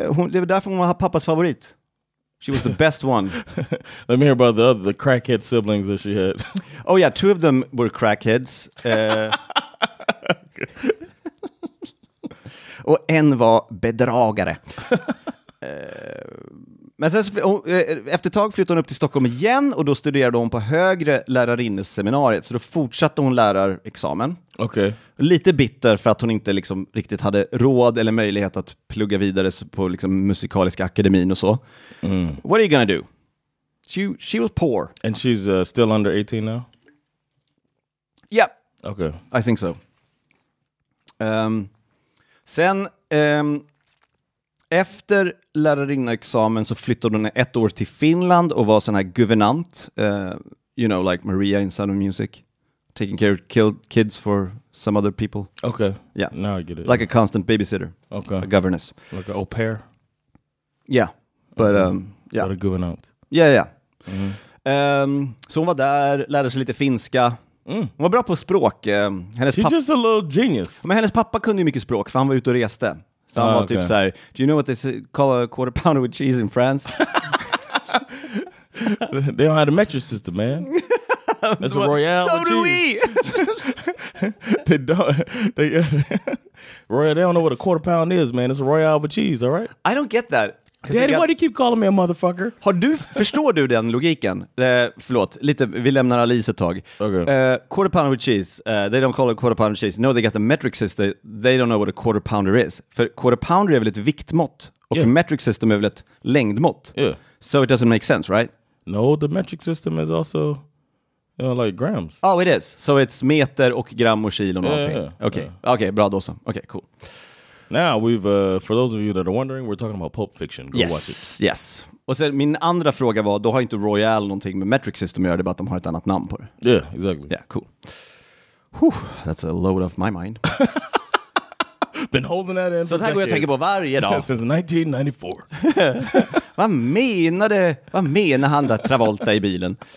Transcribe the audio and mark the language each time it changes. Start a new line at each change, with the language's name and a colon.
Swedish: Det var därför hon var pappas favorit.
English: She was the best one. Let me hear about the crackhead siblings that she had. Oh yeah, two of them were crackheads.
Swedish: Och en var bedragare. Men sen så, efter ett tag flyttade hon upp till Stockholm igen och då studerade hon på högre lärarinneseminariet. Så då fortsatte hon lärarexamen. Okej. Okay. Lite bitter för att hon inte liksom riktigt hade råd eller möjlighet att plugga vidare på liksom musikaliska akademin och så. Mm.
English: What are you gonna do? She was poor. And she's still under 18 now? Yeah. Okay. I think so.
Swedish: Sen... efter lärarinneexamen så flyttade hon ett år till Finland och var sån här guvernant.
English: You know, like Maria in Sound of Music. Taking care of kids for some other people. Okay. Yeah. Now I get it. Like a constant babysitter. Okay. A governess. Like an au pair. Yeah. But, yeah. What a guvernant. Yeah. Mm-hmm.
Swedish: Så hon var där, lärde sig lite finska. Mm. Hon var bra på språk. Hennes
English: She's just a little genius.
Swedish: Men hennes pappa kunde ju mycket språk, för han var ute och reste. Så han var typ såhär,
English: do you know what they say, call a quarter pounder with cheese in France? They don't have a metric system, man. That's a Royale so with cheese. So do we. They don't. Royale, they don't know what a quarter pound is, man. It's a Royale with cheese, all right? I don't get that. Daddy, why do you keep calling me a motherfucker?
Swedish: Förstår du den logiken? Förlåt, lite, vi lämnar Alice ett tag.
English: Okay. Quarter pounder with cheese. They don't call it quarter pounder cheese. No, they got the metric system. They don't know what a quarter pounder is.
Swedish: För quarter pounder är väl ett viktmått. Och yeah. Metric system är väl ett längdmått.
English: Yeah. So it doesn't make sense, right? No, the metric system is also, you know, like grams. Oh, it is. So it's
Swedish: meter och gram och kilo och någonting. Okej, okay. Bra då så. Okej, cool.
English: Now we've, for those of you that are wondering, we're talking about Pulp Fiction. Go yes, watch it. Yes.
Swedish: Och sen min andra fråga var, då har inte Royale någonting med metric system att göra, det bara att de har ett annat namn på det.
English: Yeah, exactly. Yeah, cool. Whew, that's a load off my mind. Been holding that in.
Swedish: Så det här går jag tänker på varje dag.
English: Since 1994.
Swedish: Vad menar han där Travolta i bilen?